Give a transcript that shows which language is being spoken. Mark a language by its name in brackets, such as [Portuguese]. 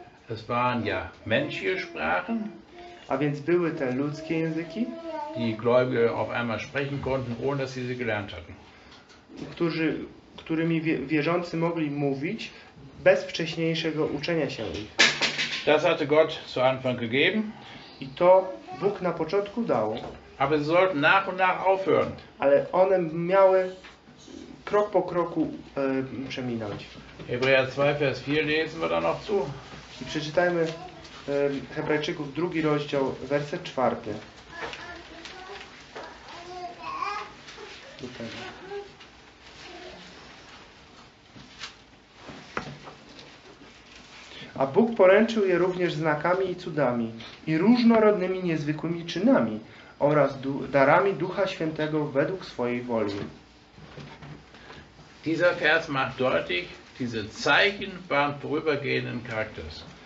[German] Es waren ja menschliche Sprachen. [Polish] A więc były te ludzkie języki, [German] die Gläubige auf einmal sprechen konnten, ohne dass sie sie gelernt hatten. [Polish] Którymi wierzący mogli mówić bez wcześniejszego uczenia się ich. [German] Das hatte Gott zu Anfang gegeben. [Polish] I to Bóg na początku dał. [German] Aber sie sollten nach und nach aufhören. [Polish] Ale one miały krok po kroku przeminąć. [German] Hebräer 2, Vers 4 lesen wir dann noch zu. [Polish] I przeczytajmy Hebrajczyków 2, rozdział, werset 4. A Bóg poręczył je również znakami i cudami, i różnorodnymi niezwykłymi czynami, oraz darami Ducha Świętego według swojej woli. [German] Dieser Vers macht deutlich, diese Zeichen waren vorübergehenden Charakters.